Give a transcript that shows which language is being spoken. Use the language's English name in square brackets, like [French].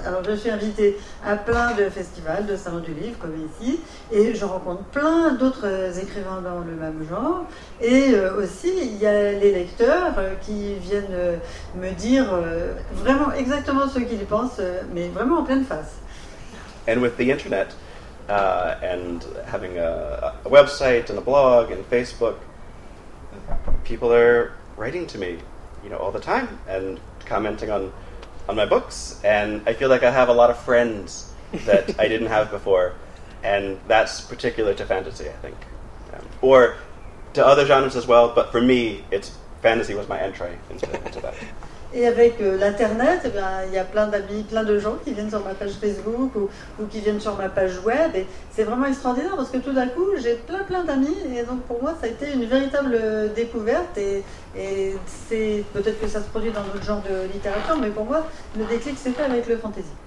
[French] Alors, je suis invitée à plein de festivals, de salons du livre, comme ici, et je rencontre plein d'autres écrivains dans le même genre. Et aussi, il y a les lecteurs qui viennent me dire vraiment exactement ce qu'ils pensent, mais vraiment en pleine face. [English] And with the internet, and having a website and a blog and Facebook, people are writing to me, you know, all the time and commenting on my books, and I feel like I have a lot of friends that I didn't have before, and that's particular to fantasy, I think. Or to other genres as well, but for me, it's fantasy was my entry into that. [French] Et avec l'internet, eh bien, il y a plein d'amis, plein de gens qui viennent sur ma page Facebook ou qui viennent sur ma page web. Et c'est vraiment extraordinaire parce que tout d'un coup, j'ai plein d'amis. Et donc pour moi, ça a été une véritable découverte. Et c'est peut-être que ça se produit dans d'autres genres de littérature, mais pour moi, le déclic s'est fait avec le fantasy.